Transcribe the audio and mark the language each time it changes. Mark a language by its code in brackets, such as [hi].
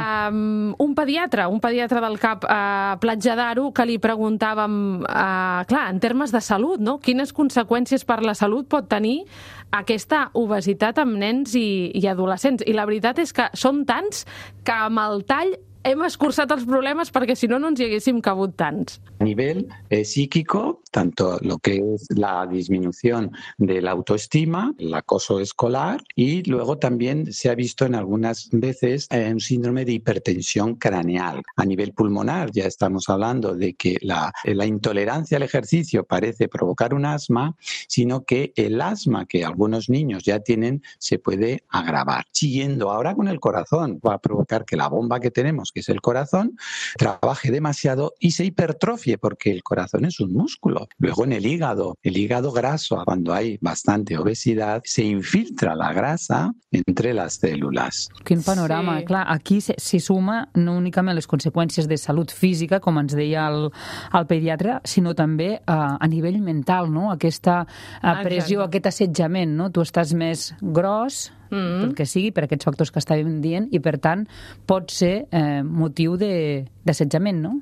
[ca] Un pediatre del CAP Platja d'Aro, que li preguntàvem, clar, en termes de salut, no?, quines conseqüències per la salut pot tenir aquesta obesitat amb nens i adolescents. I la veritat és que són tants que amb el tall hem escurçat els problemes, perquè si no, no ens hi haguéssim cabut tants. [es] A nivell psíquico, tanto lo que es la disminución de la autoestima, el acoso escolar, y luego también se ha visto en algunas veces un síndrome de hipertensión craneal. A nivel pulmonar ya estamos hablando de que la intolerancia al ejercicio parece provocar un asma, sino que el asma que algunos niños ya tienen se puede agravar. Siguiendo ahora con el corazón, va a provocar que la bomba que tenemos, que es el corazón, trabaje demasiado y se hipertrofie, porque el corazón es un músculo. Luego en el hígado graso, cuando hay bastante obesidad, se infiltra la grasa entre las células. [ca] Quin panorama. Sí. Clar, aquí se suma no únicament les conseqüències de salut física, com ens deia el pediatre, sinó també a nivell mental, no? Aquesta pressió, exacte, aquest assetjament, no? Tu estàs més gros, pel que sigui, per aquests factors que estàvem dient, i per tant pot ser motiu d'assetjament, no?